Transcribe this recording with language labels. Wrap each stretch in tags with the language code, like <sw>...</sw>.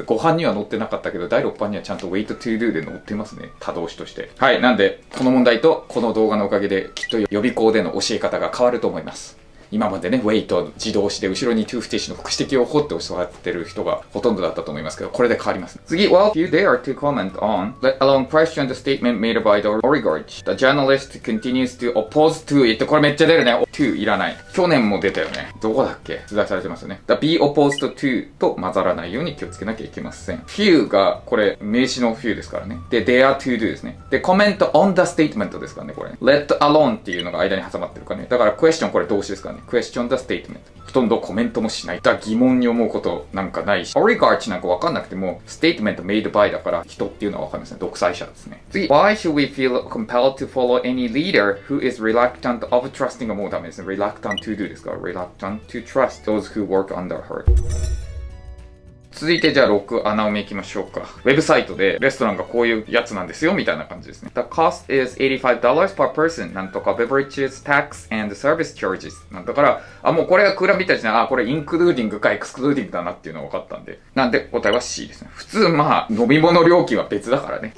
<ja>5版には載ってなかったけど、第6版にはちゃんと</ja> <en>wait to do</en> <ja>で載ってますね、他動詞として。はい、なんで、この問題とこの動画のおかげで、きっと予備校での教え方が変わると思います。今までね、ウェイト自動詞で後ろに to 不定詞の副詞的を掘って教わってる人がほとんどだったと思いますけど、これで変わります。次、</ja> <en>Well, if you dare to comment on, let alone question the statement made by the oligarch, the journalist continues to oppose to it.</en> <ja>これめっちゃ出るね。to いらない。去年も出たよね。どこだっけ、出題されてますよね。</ja> <en>the be opposed to</en> <ja>と混ざらないように気をつけなきゃいけません。 few がこれ名詞の few ですからね。で、</ja> <en>dare to do</en> <ja>ですね。で、</ja> <en>comment on the statement</en> <ja>ですからね、これ。</ja> <en>let alone</en> <ja>っていうのが間に挟まってるからね。だから question これ動詞ですからね。</ja> <en>Question the statement.</en> <ja>ほとんどコメントもしない。だ、疑問に思うことなんかないし。 Oligarch なんか分かんなくても、</ja> <en>Statement made by</en> <ja>だから、人っていうのは分かんないですね。独裁者ですね。次、</ja> <en>Why should we feel compelled to follow any leader who is reluctant of trusting?</en> <ja>もうダメですね。</ja> <en>Reluctant to do ですから、Reluctant to trust those who work under her.</en> <ja>続いてじゃあ6穴埋めいきましょうか。ウェブサイトでレストランがこういうやつなんですよみたいな感じですね。</ja> <en>The cost is $85 per person</en> <ja>なんとか</ja> <en>beverages tax and service charges</en> <ja>なんだから、あ、もうこれがクーラーみたいですね。あ、これインクルーディングかエクスクルーディングだなっていうのが分かったんで、なんで答えは C ですね。普通まあ飲み物料金は別だからね。</ja>